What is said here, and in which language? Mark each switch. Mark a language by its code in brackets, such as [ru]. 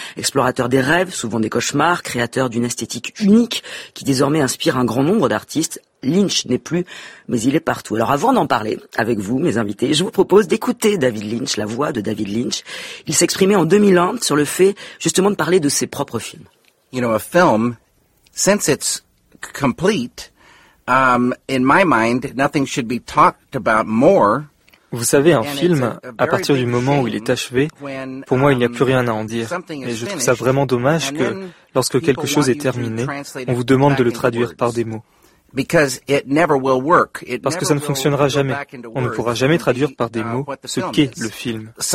[fr] Explorateur des rêves, souvent des cauchemars, créateur d'une esthétique unique qui désormais inspire un grand nombre d'artistes. Lynch n'est plus, mais il est partout. Alors avant d'en parler avec vous, mes invités, je vous propose d'écouter David Lynch, la voix de David Lynch. Il s'exprimait en 2001 sur le fait justement de parler de ses propres films. [en] You know, a film, since it's complete, in my mind, nothing should be talked about more. [fr] Vous savez, un film, à partir du moment où il est achevé, pour moi, il n'y a plus rien à en dire. Et je trouve ça vraiment dommage que, lorsque quelque chose est terminé, on vous demande de le traduire par des mots. Parce que ça ne fonctionnera jamais. On ne pourra jamais traduire par des mots ce qu'est le film.